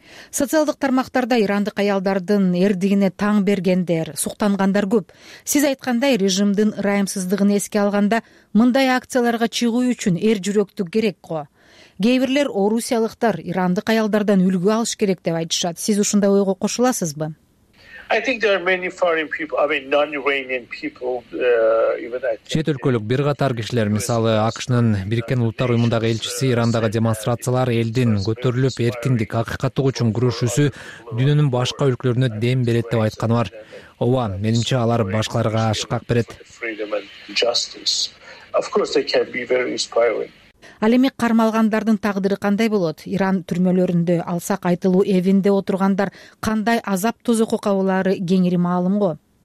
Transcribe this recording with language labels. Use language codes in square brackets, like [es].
[ky] Социалдык тармактарда ирандык аялдардын эрдигине таң бергендер, суктангандар көп. Сиз айткандай, режимдин ырайымсыздыгын эске алганда, мындай акцияларга чыгуу үчүн эр жүрөктүк керек го. Кээ бирлер орусиялыктар ирандык аялдардан үлгү алыш керек деп айтышат. Сиз ушундай ойго кошуласызбы? [en] I think there are many foreign people, I mean non-Iranian people, even [ky] чет өлкөлүк бир катар кишилер, мисалы АКШнын Бириккен Улуттар Уюмундагы элчиси Ирандагы демонстрациялар элдин көтөрүлүп, эркиндик, акыйкаттык үчүн күрөшүүсү дүйнөнүн башка өлкөлөрүнө дем берет деп айтканы бар. Ооба, менимче алар башкаларга ашкак берет. [en] Of course they can be very inspiring. [ky] Ал эми кармалгандардын тагдыры кандай болот? Иран түрмөлөрүндө, алсак айтылуу эвинде отургандар кандай азап тозокко кабылары кеңири маалым го.